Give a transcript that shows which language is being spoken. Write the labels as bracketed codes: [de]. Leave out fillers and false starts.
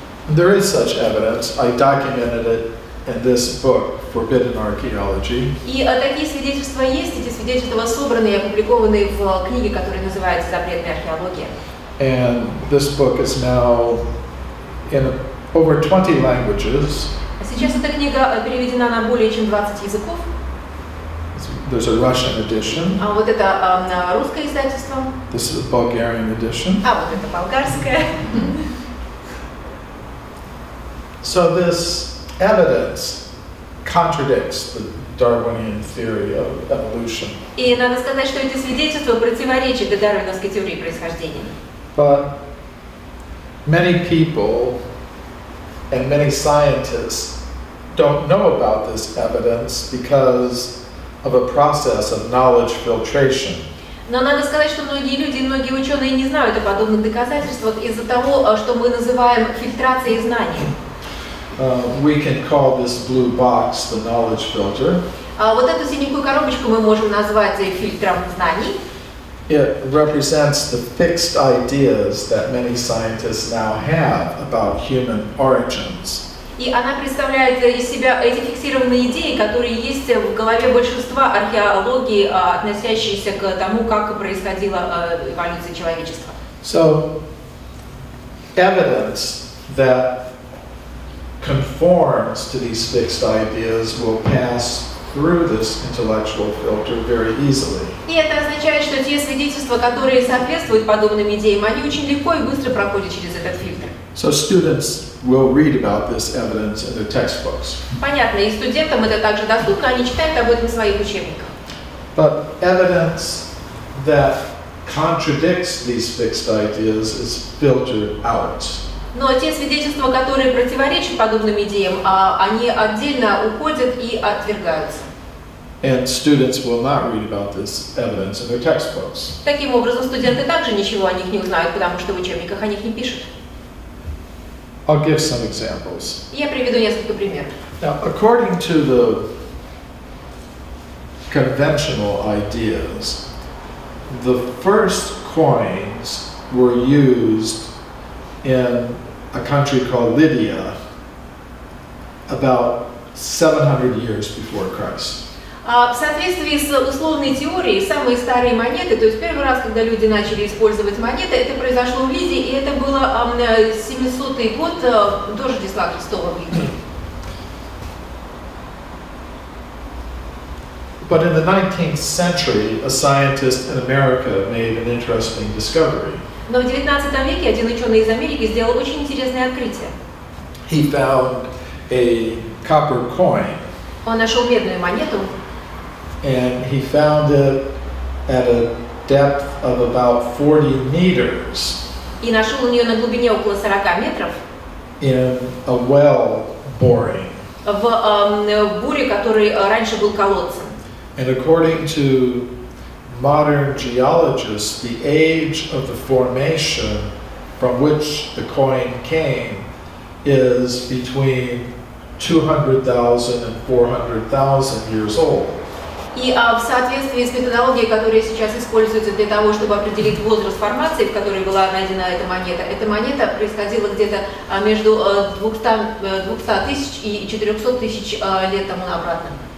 [en] There is such evidence. I documented it in this book, Forbidden Archeology. [ru] И такие свидетельства есть, эти свидетельства собраны и опубликованы в книге, которая называется «Запретная археология». [en] And this book is now in over 20 languages. [ru] Сейчас эта книга переведена на более чем 20 языков. [en] There's a Russian edition. [ru] А вот это русское издательство. [en] This is a Bulgarian edition. [ru] А вот это болгарское. [en] So this evidence contradicts the Darwinian theory of evolution. [ru] И надо сказать, что эти свидетельства противоречат дарвиновской теории происхождения. [en] But many people and many scientists don't know about this evidence because of a process of knowledge filtration. [ru] Но надо сказать, что многие люди и многие ученые не знают о подобных доказательствах из-за того, что мы называем фильтрацией знаний. [en] We can call this blue box the knowledge filter. [ru] Вот эту синенькую коробочку мы можем назвать фильтром знаний. [en] It represents the fixed ideas that many scientists now have about human origins. [ru] И она представляет из себя эти фиксированные идеи, которые есть в голове большинства археологии, относящиеся к тому, как происходила эволюция человечества. [en] So, evidence that conforms to these fixed ideas will pass through this intellectual filter very easily. [ru] И это означает, что те свидетельства, которые соответствуют подобным идеям, они очень легко и быстро проходят через этот фильтр. [en] So students will read about this evidence in their textbooks. [ru] Понятно, и студентам это также доступно, они читают об этом в своих учебниках. [en] But evidence that contradicts these fixed ideas is filtered out. [ru] Но те свидетельства, которые противоречат подобным идеям, они отдельно уходят и отвергаются. [en] And students will not read about this evidence in their textbooks. [ru] Таким образом, студенты также ничего о них не узнают, потому что в учебниках о них не пишут. [en] I'll give some examples. [ru] Я приведу несколько примеров. [en] Now, according to the conventional ideas, the first coins were used in a country called Lydia about 700 years before Christ. [ru] В соответствии с условной теорией, самые старые монеты, то есть первый раз, когда люди начали использовать монеты, это произошло в Лидии, и это было 700-й год до Рождества Христова в Лидии. [en] But in the 19th century, a scientist in America made an interesting discovery. [ru] Но в 19 веке один ученый из Америки сделал очень интересное открытие. [en] He found a copper coin. [ru] Он нашел медную монету. [en] And he found it at a depth of about 40 meters. [ru] И нашел у нее на глубине около 40 метров. [en] In a well boring. [ru] В буре, который раньше был колодцем. [en] And according to modern geologists, the age of the formation from which the coin came is between 200,000 and 400,000 years old. [ru] И в соответствии с методологией, которая сейчас используется для того, чтобы определить возраст формации, в которой была найдена эта монета происходила где-то между 200 тысяч и 400 тысяч лет тому обратно.